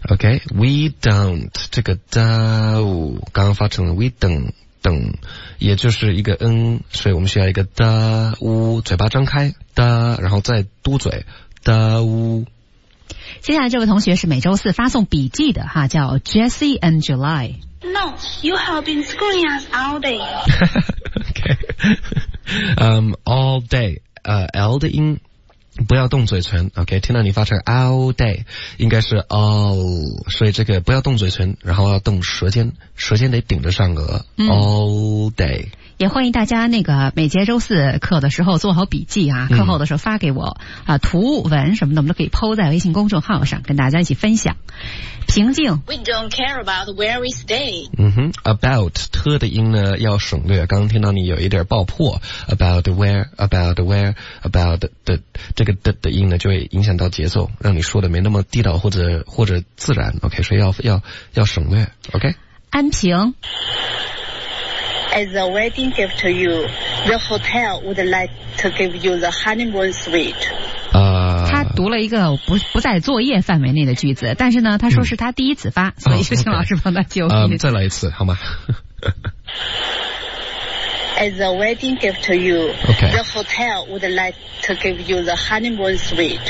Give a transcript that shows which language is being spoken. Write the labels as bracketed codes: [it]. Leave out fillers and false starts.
[zh] OK, [en] we don't, [zh] 这个 do, 刚刚发成了 we don't. 等也就是一个嗯，所以我们需要一个的呜，嘴巴张开的，然后再嘟嘴的呜。接下来这位同学是每周四发送笔记的哈，叫 Jesse and July。 [en] No, you have been screwing us all day. [zh] okay, [en] all day, [zh] L 的音不要动嘴唇 ，OK？听到你发成 [en] all day， [zh] 应该是 all， 所以这个不要动嘴唇，然后要动舌尖，舌尖得顶着上颚、all day。也欢迎大家那个每节周四课的时候做好笔记啊，课后的时候发给我啊，图文什么的我们都可以抛在微信公众号上跟大家一起分享。平静 [en] We don't care about where we stay [zh] About 特的音呢要省略，刚刚听到你有一点爆破 About 的这个的音呢就会影响到节奏，让你说的没那么地道或者自然 OK 所以要省略 OK 安平 [en] As a wedding gift to you, the hotel would like to give you the honeymoon suite. [zh] 他读了一个不在作业范围内的句子，但是呢，他说是他第一次发，所以就请老师帮他纠正。再来一次，好吗 [en] ？As a wedding gift to you, the hotel would like to give you the honeymoon suite.